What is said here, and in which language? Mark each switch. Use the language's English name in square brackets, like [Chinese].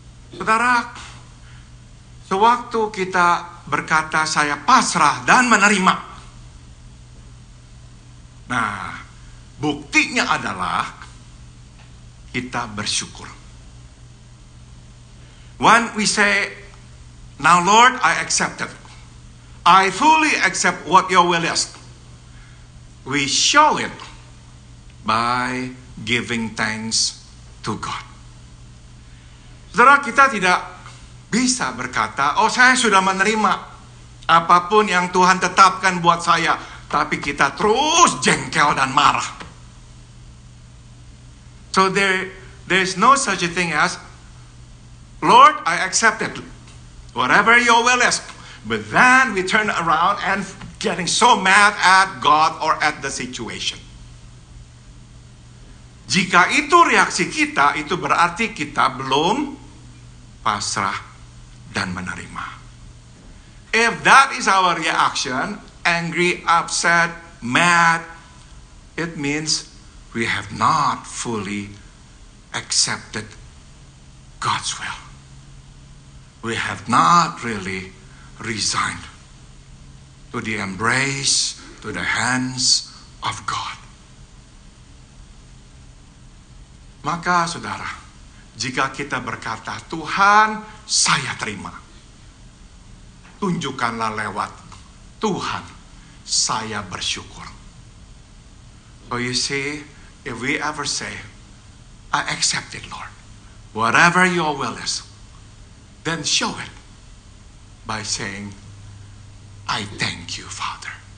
[Indonesian] Saudara, sewaktu kita berkata saya pasrah dan menerima, nah, buktinya adalah kita bersyukur. [English] When we say, now Lord, I accept it. I fully accept what your will is. We show it by giving thanks to God. [Indonesian] Saudara, kita tidak bisa berkata, oh saya sudah menerima apapun yang Tuhan tetapkan buat saya. Tapi kita terus jengkel dan marah. [English] So there is no such a thing as, Lord, I accept it, whatever your will is. But then we turn around and getting so mad at God or at the situation. [Indonesian] Jika itu reaksi kita, itu berarti kita belum pasrah dan menerima. [English] If that is our reaction, angry, upset, mad, it means we have not fully accepted God's will. We have not really resigned to the embrace, to the hands of God. [Indonesian] Maka saudara, jika kita berkata, Tuhan, saya terima. Tunjukkanlah lewat Tuhan, saya bersyukur. [English] So you see, if we ever say, I accept it, Lord, whatever your will is, then show it by saying, I thank you, Father.